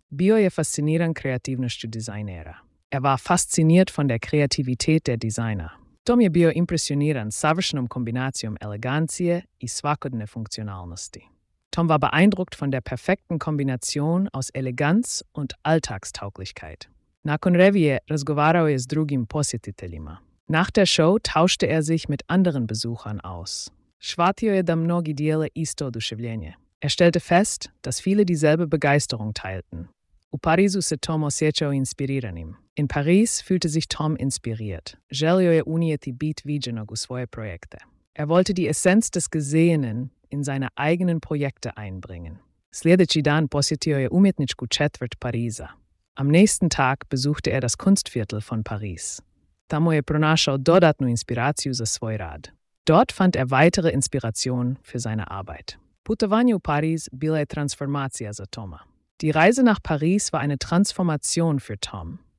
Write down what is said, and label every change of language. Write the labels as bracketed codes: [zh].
[hr] Bio je fasciniran kreativnošću dizajnera. [de] Er war fasziniert von der Kreativität der Designer. [hr] Tom je bio impresioniran savršenom kombinacijom elegancije i svakodne funkcionalnosti. [de] Tom war beeindruckt von der perfekten Kombination aus Eleganz und Alltagstauglichkeit. [hr] Nakon revije razgovarao je s drugim posjetiteljima. [de] Nach der Show tauschte er sich mit anderen Besuchern aus. [hr] Shvatio je da mnogi dijele isto oduševljenje. [de] Er stellte fest, dass viele dieselbe Begeisterung teilten. [hr] U Parizu se Tom osjećao inspiriranim. [de] In Paris fühlte sich Tom inspiriert. [hr] Želio je unijeti bit viđenog u svoje projekte. [de] Er wollte die Essenz des Gesehenen in seine eigenen Projekte einbringen. [hr] Sljedeći dan posjetio je umjetničku četvrt Pariza. [de] Am nächsten Tag besuchte er das Kunstviertel von Paris. [hr] Tamo je pronašao dodatnu inspiraciju za svoj rad. [de] Dort fand er weitere Inspiration für seine Arbeit. [hr] Putovanje u Pariz bila je transformacija za Toma. [de] Die Reise nach Paris war eine Transformation für Tom.